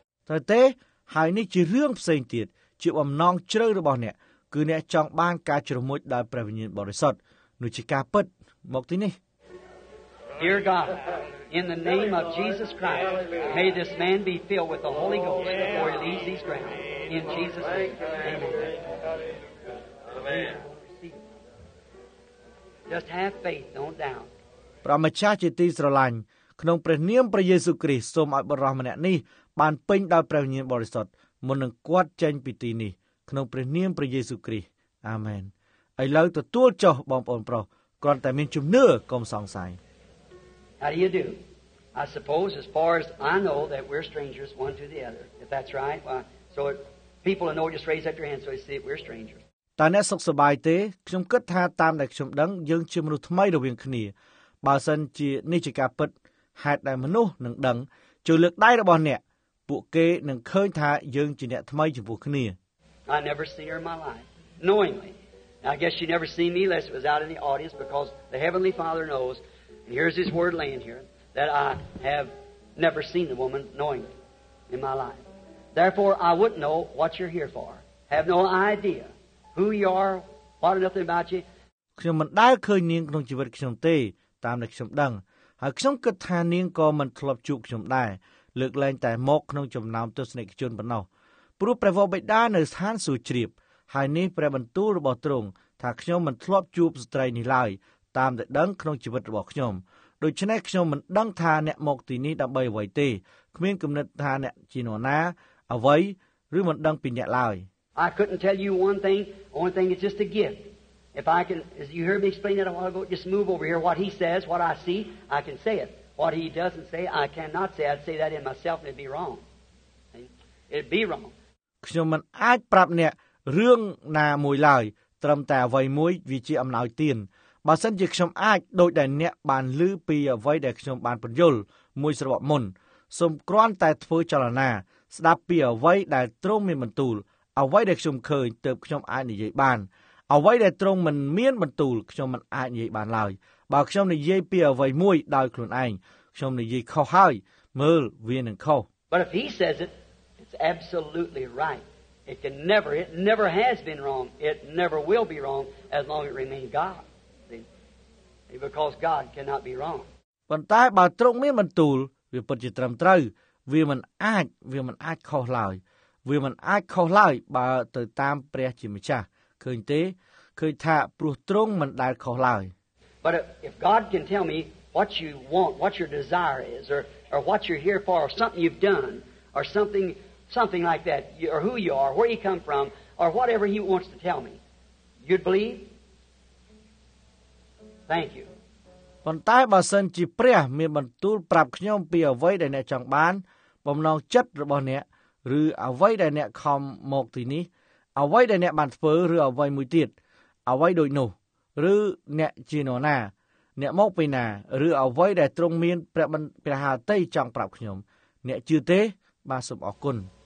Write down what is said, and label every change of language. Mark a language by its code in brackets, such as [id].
[km] តែហើយនេះជារឿងផ្សេងទៀតជាបំណងជ្រៅរបស់អ្នកគឺអ្នកចង់បានការជ្រមុជដោយព្រះវិញ្ញាណបរិសុទ្ធនោះជាការពិតមកទីនេះ [en] Dear God in the name of Jesus Christ may this man be filled with the Holy Ghost before he leaves these grounds in Jesus name Amen Just have faith don't doubt [km] ព្រះម្ចាស់ជាទីស្រឡាញ់ក្នុងព្រះនាមព្រះយេស៊ូវគ្រីស្ទសូមឲ្យបរិសុទ្ធម្នាក់នេះបានពេញដោយព្រះវិញ្ញាណបរិសុទ្ធមុននឹងគាត់ចេញពីទីនេះក្នុងព្រះនាមព្រះយេស៊ូវគ្រីស្ទអាម៉ែនឥឡូវទទួលចុះបងប្អូនប្រុសគ្រាន់តែមានជំនឿកុំសង្ស័យ [en] How do you do? I suppose as far as I know that we're strangers one to the other. If that's right, well, so people know just raise up your hand so they see we're strangers. [km] តើអ្នកសុខសប្បាយទេខ្ញុំគិតថាតាមដែលខ្ញុំដឹងយើងជាមនុស្សថ្មីរវាងគ្នាបើសិនជានេះជាការពិតហេតុដែលមនុស្សនឹងដឹងជួយលើកដៃរបស់អ្នកពួកគេនឹងឃើញថាយើងជាអ្នកថ្មីចំពោះគ្នា [en] I never see her in my life knowingly I guess she never seen me unless it was out in the audience because the heavenly father knows and here's his word laying here that I have never seen the woman knowingly in my life therefore I wouldn't know what you're here for have no idea who you are what nothing about you [km] ខ្ញុំមិនដែលឃើញនាងក្នុងជីវិតខ្ញុំទេតាមដែលខ្ញុំដឹងហើយខ្ញុំគិតថានាងក៏មិនធ្លាប់ជួបខ្ញុំដែរលើកលែងតែមកក្នុងចំណោមទស្សនិកជនប៉ុណ្ណោះព្រោះព្រះវរបិតានៅស្ថានសួគ៌ជ្រាបហើយនេះព្រះបន្ទូលរបស់ទ្រង់ថាខ្ញុំមិនធ្លាប់ជួបស្ត្រីនេះឡើយតាមដែលដឹងក្នុងជីវិតរបស់ខ្ញុំដូច្នេះខ្ញុំមិនដឹងថាអ្នកមកទីនេះដើម្បីអ្វីទេគ្មានគំនិតថាអ្នកជានរណាអ្វីឬមិនដឹងពីអ្នកឡើយ [en] I couldn't tell you one thing it's just a gift if I can as you heard me explain it I want to go just move over here what he says what I see I can say it What he doesn't say, I cannot say. I'd say that in myself, and it'd be wrong. It'd be wrong. [km] ខ្ញុំមិនអាចប្រាប់អ្នករឿងណាមួយឡើយត្រឹមតែអ្វីមួយវាជាអំណោយទានបើសិនជាខ្ញុំអាចដូចដែលអ្នកបានឮពីអ្វីដែលខ្ញុំបានពន្យល់មួយស្របមុនសូមគ្រាន់តែធ្វើចលនាស្ដាប់ពីអ្វីដែលត្រង់មានបន្ទូលអ្វីដែលខ្ញុំឃើញទើបខ្ញុំអាចនិយាយបានអ្វីដែលត្រង់មិនមានបន្ទូលខ្ញុំមិនអាចនិយាយបានឡើយបើខ្ញុំនិយាយពីអ្វីមួយដោយខ្លួនឯងខ្ញុំនិយាយខុសហើយមើលវានឹងខុស [en] But if he says it it's absolutely right it can never it never has been wrong it never will be wrong as long as it remains God See? because God cannot be wrong [km] ប៉ុន្តែបើត្រង់មានបន្ទូលវាពិតជាត្រឹមត្រូវវាមិនអាចខុសឡើយវាមិនអាចខុសឡើយបើទៅតាមព្រះជាម្ចាស់ឃើញទេឃើញថាព្រោះត្រង់មិនដែលខុសឡើយ [en] But if God can tell me what you want, what your desire is, or what you're here for, or something you've done, or something like that, or who you are, where you come from, or whatever he wants to tell me, you'd believe? Thank you. [km] ប៉ុន្តែបើសិនជាព្រះមានបន្ទូលប្រាប់ខ្ញុំពីអ្វីដែលអ្នកចង់បានបំណងចិត្តរបស់អ្នកឬអ្វីដែលអ្នកខំមកទីនេះអ្វីដែលអ្នកបានធ្វើឬអ្វីមួយទៀតអ្វីដូចនោះឬអ្នកជានរណាអ្នកមកពីណាឬអ្វីដែលទ្រង់មានព្រះបន្ទព្រះហឫទ័យចង់ប្រាប់ខ្ញុំអ្នកជឿទេបាទសូមអរគុណ